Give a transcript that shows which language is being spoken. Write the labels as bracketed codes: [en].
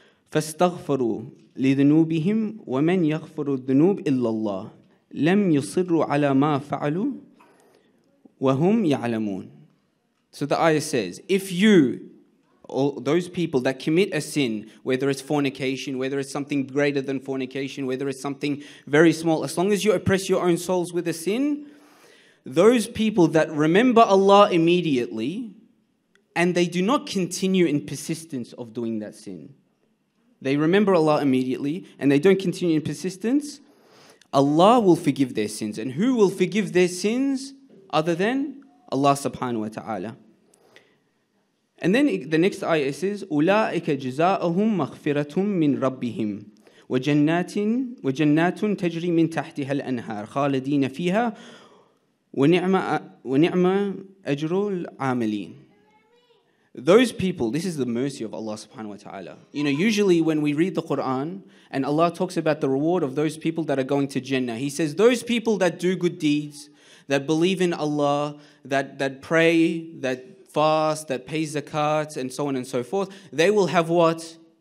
[ar] فَاسْتَغْفَرُوا لِذْنُوبِهِمْ وَمَنْ يَغْفَرُ الذُّنُوبِ إِلَّا اللَّهِ لَمْ يُصِرُّوا عَلَى مَا فَعَلُوا وَهُمْ يَعْلَمُونَ. [en] So the ayah says, if you, all those people that commit a sin, whether it's fornication, whether it's something greater than fornication, whether it's something very small, as long as you oppress your own souls with a sin, those people that remember Allah immediately, and they do not continue in persistence of doing that sin. They remember Allah immediately, and they don't continue in persistence. Allah will forgive their sins. And who will forgive their sins other than Allah subhanahu wa ta'ala? And then the next ayah says, [ar] أُولَٰئِكَ جَزَاءُهُمْ مَغْفِرَةٌ مِّن رَبِّهِمْ وَجَنَّاتٌ تَجْرِي مِّن تَحْتِهَا الْأَنْهَارِ خَالَدِينَ فِيهَا وَنِعْمَ أَجْرُ الْعَامِلِينَ. [en] Those people, this is the mercy of Allah subhanahu wa ta'ala. You know, usually when we read the Quran and Allah talks about the reward of those people that are going to Jannah, He says, those people that do good deeds, that believe in Allah, that pray, that fast, that pays zakat, and so on and so forth, they will have what?